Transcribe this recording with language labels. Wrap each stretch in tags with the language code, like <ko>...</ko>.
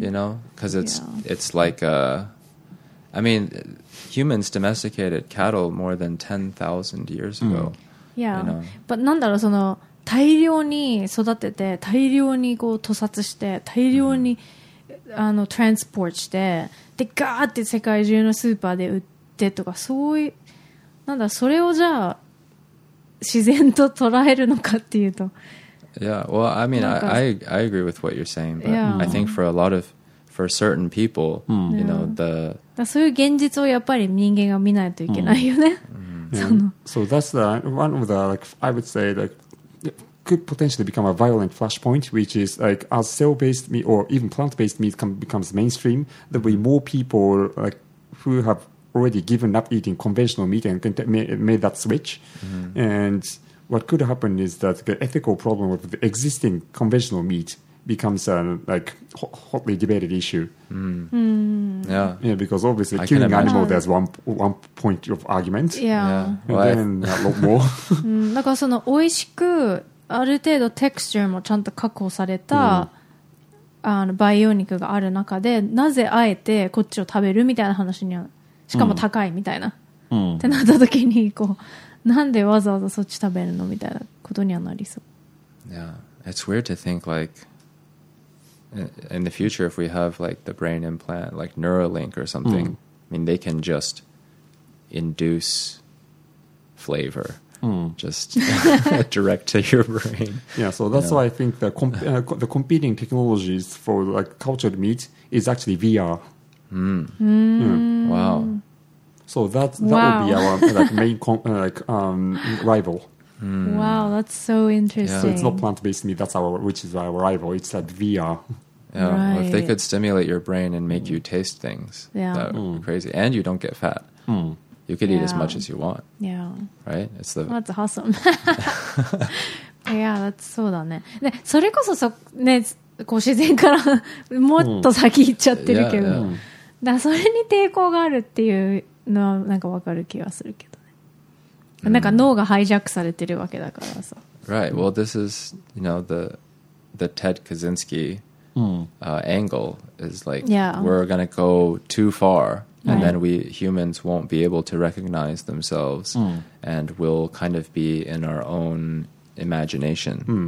<en>You know, because it's it's like a, I mean, humans domesticated cattle more than 10,000 years ago. Yeah, you know?</en> <ja>But なんだろうその大量に育てて大量にこう屠殺して大量にあのトランスポートしてでガーって世界中のスーパーで売ってとかそういうなんだそれをじゃあ自然と捉えるのかっていうと</ja> <en>Yeah, well, I mean, I agree with what you're saying, but I think for a lot of for certain people, you know, the</en> <ja>だそういう現実をやっぱり人間が見ないといけないよね。</ja> <en>So that's the one of the like I would say that could potentially become a violent flashpoint, which is like as cell-based meat or even plant-based meat becomes mainstream, there will be more people like who have already given up eating conventional meat and made that switch. Mm-hmm. And what could happen is that the ethical problem with the existing conventional meat becomes a like hotly debated issue. Yeah. Yeah, because obviously I killing animal there's one point of argument. Yeah. And then a lot more.</en> <ja>だからその美味しくある程度テクスチャーもちゃんと確保された、あの培養肉がある中でなぜあえてこっちを食べるみたいな話にはしかも高いみたいな、ってなった時にこうなんでわざわざそっち食べるのみたいなことにはなりそう。</ja> <en>Yeah, it's weird to think like in the future if we have like the brain implant like Neuralink or something、I mean they can just induce flavorJust direct to your brain. Yeah, so that's why I think the the competing technologies for like cultured meat is actually VR. Wow. So that would be our like, main rival. Wow, that's so interesting. So it's not plant-based meat, which is our rival. It's like VR. Yeah, right. If they could stimulate your brain and make you taste things, that would be crazy. And you don't get fat. You could eat as much as you want. Yeah. Right? That's awesome. Yeah, that's so</en> <ja>だね。で、それこそそ、ね、こう自然からもっと先行っちゃってるけど。だからそれに抵抗があるっていうのはなんかわかる気がするけどね。なんか脳がハイジャックされてるわけだからさ。</ja> <en>Right. Well, this is, you know, the Ted Kaczynski angle is like, we're gonna go too far. And then we humans won't be able to recognize themselves, and we'll kind of be in our own imagination.</en>